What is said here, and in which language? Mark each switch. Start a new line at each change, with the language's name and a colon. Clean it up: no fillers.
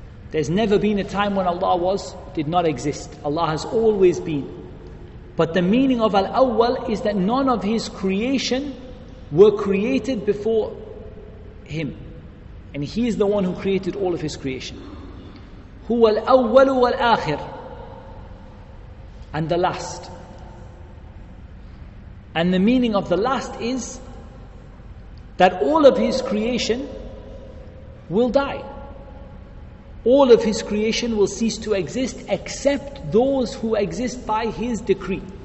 English: There's never been a time when Allah did not exist. Allah has always been. But the meaning of al-awwal is that none of his creation were created before him. And he is the one who created all of his creation.
Arabic: هو الأول والآخر
English: and the last. And the meaning of the last is that all of his creation will die. All of his creation will cease to exist except those who exist by his decree.